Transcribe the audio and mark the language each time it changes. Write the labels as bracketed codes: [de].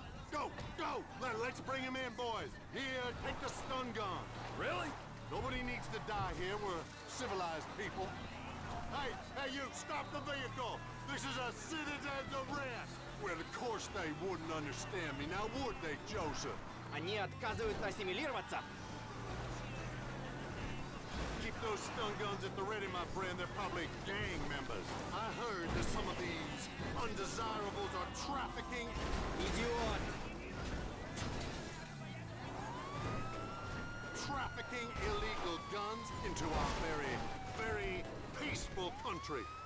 [en] Go. Let's bring them in, boys. Here, take the stun gun. Really? Nobody needs to die here. We're civilized people. Hey, you, stop the vehicle. This is a citizen's arrest. Well, of course they wouldn't understand me. Now, would they, Joseph? [ru] Они отказываются ассимилироваться. [en] Keep those stun guns at the ready, my friend. They're probably gang members. I heard that some of these undesirables are trafficking. Idiot. Trafficking illegal guns into our very, very peaceful country.